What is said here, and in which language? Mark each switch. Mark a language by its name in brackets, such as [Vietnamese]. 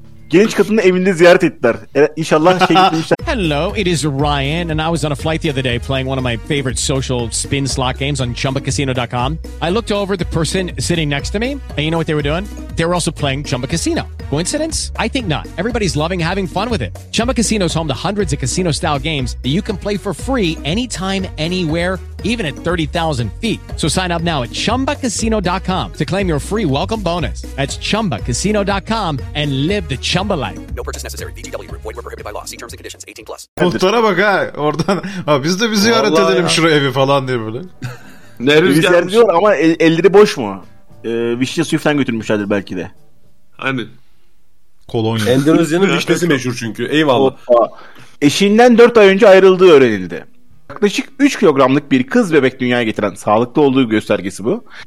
[Turkish] Genç kadını evinde ziyaret ettiler. İnşallah şey gitmişler. [English] Hello, it is Ryan, and I was on a flight the other day playing one of my favorite social spin slot games on ChumbaCasino.com. I looked over the person sitting next to me, and you know what they were doing? They were also playing Chumba Casino. Coincidence? I think not. Everybody's loving having fun with it. Chumba Casino is home to hundreds of casino-style games that you can play for free anytime, anywhere, even at 30,000 feet. So sign up now at ChumbaCasino.com to claim your free welcome bonus. That's ChumbaCasino.com and live the Chumba life. No purchase necessary. VGW. Void where prohibited by law. See terms and conditions. 18 plus. [Turkish] Muhtara bak ha oradan. Ha biz de bir ziyaret vallahi edelim ya. Şu evi falan diye böyle. Ne rüzgar diyor ama elleri boş mu? Vişne suyu falan götürmüşlerdir belki de. Hani? Kolonya. Endonezya'nın vişnesi meşhur çünkü. Eyvallah. Eşinden 4 ay önce ayrıldığı öğrenildi. Yaklaşık 3 kilogramlık bir kız bebek dünyaya getiren, sağlıklı olduğu göstergesi bu.